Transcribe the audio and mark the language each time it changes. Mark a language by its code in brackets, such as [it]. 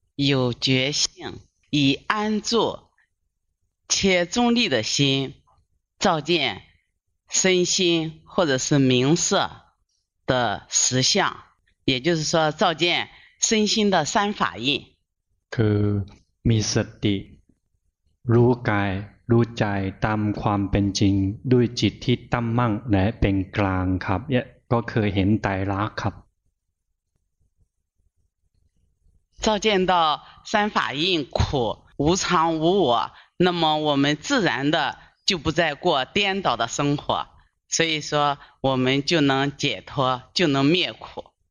[zh] 有觉性以安坐且中立的心照见身心或者是名色的实相也就是说照见身心的三法印 [th] คือมีสติรู้กายรู้ใจตามความเป็นจริงด้วยจิตที่ตั้มมั่งและเป็นกลางครับเนี่ยก็คือเห็นไตรลักษณ์ครับ [zh] 照见到三法印苦无常无我那么我们自然的就不再过颠倒的生活所以说我们就能解脱就能灭苦